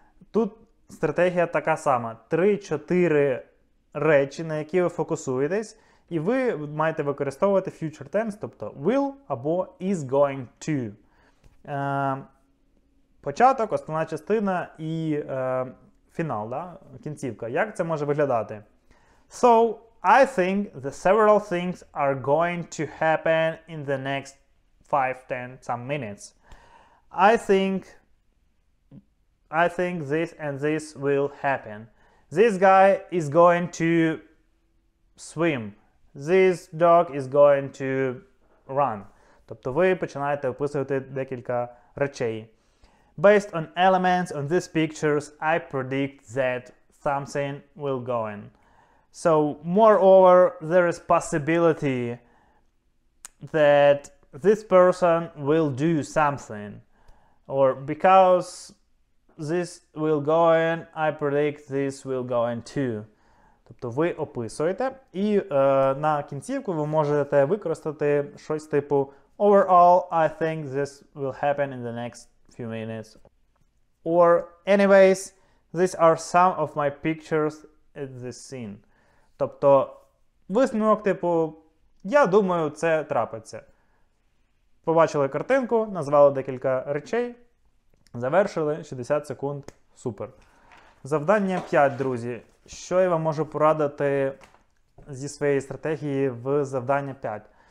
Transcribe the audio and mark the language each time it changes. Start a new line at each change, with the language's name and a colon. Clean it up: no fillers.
Ukrainian: Тут стратегія така сама. 3-4 речі, на які ви фокусуєтесь, і ви маєте використовувати future tense, тобто will або is going to. Початок, основна частина і фінал, да? Кінцівка. Як це може виглядати?
English: So, I think the several things are going to happen in the next 5-10 some minutes. I think this and this will happen. This guy is going to swim. This dog is going to run.
Ukrainian: Тобто ви починаєте описувати декілька речей.
English: Based on elements on these pictures, I predict that something will go on. So, moreover, there is possibility that this person will do something. Or because this will go on, I predict this will go on too.
Ukrainian: Тобто ви описуєте, і на кінцівку ви можете використати щось типу
English: overall, I think this will happen in the next few minutes. Or anyways, these are some of my pictures at this scene.
Ukrainian: Тобто висновок типу, я думаю, це трапиться. Побачили картинку, назвали декілька речей, завершили, 60 секунд, супер. Завдання 5, друзі. Що я вам можу порадити зі своєї стратегії в завдання 5?